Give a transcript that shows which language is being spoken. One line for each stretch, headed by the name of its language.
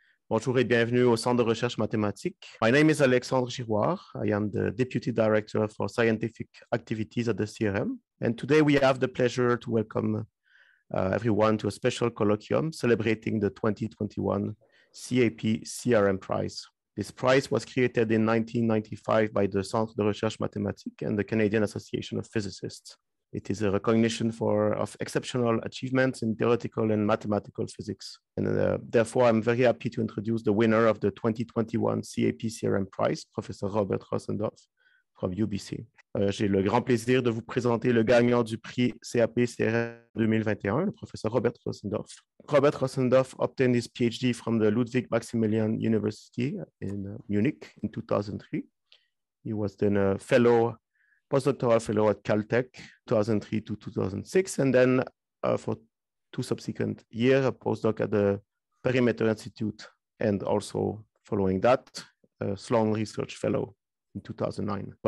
French: Bonjour et bienvenue au Centre de recherche mathématique.
English: My name is Alexandre Girouard. I am the Deputy Director for Scientific Activities at the CRM. And today we have the pleasure to welcome everyone to a special colloquium celebrating the 2021 ACP-CRM Prize. This prize was created in 1995 by the Centre de recherche mathématique and the Canadian Association of Physicists. It is a recognition of exceptional achievements in theoretical and mathematical physics. And therefore, I'm very happy to introduce the winner of the 2021 ACP-CRM Prize, Professor Robert Raussendorf from UBC.
French: J'ai le grand plaisir de vous présenter le gagnant du prix CAP-CRM 2021, le professeur Robert Raussendorf.
English: Robert Raussendorf obtained his PhD from the Ludwig Maximilian University in Munich in 2003. He was then a fellow postdoctoral fellow at Caltech 2003 to 2006, and then for two subsequent years, a postdoc at the Perimeter Institute, and also following that, a Sloan Research Fellow in 2009.